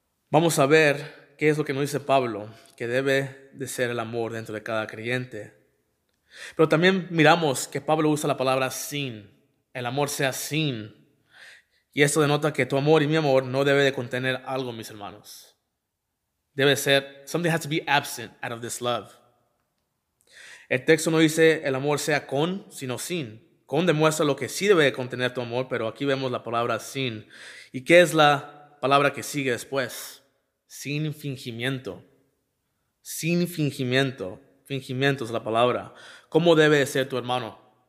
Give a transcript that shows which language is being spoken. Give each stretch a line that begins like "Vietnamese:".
Spanish: Vamos a ver qué es lo que nos dice Pablo, que debe de ser el amor dentro de cada creyente. Pero también miramos que Pablo usa la palabra sin, el amor sea sin. Y esto denota que tu amor y mi amor no debe de contener algo, mis hermanos. Debe ser,
English: something has to be absent out of this love.
Spanish: El texto no dice el amor sea con, sino sin. Con demuestra lo que sí debe de contener tu amor, pero aquí vemos la palabra sin. ¿Y qué es la palabra que sigue después? Sin fingimiento. Sin fingimiento. Fingimiento es la palabra. ¿Cómo debe de ser tu hermano?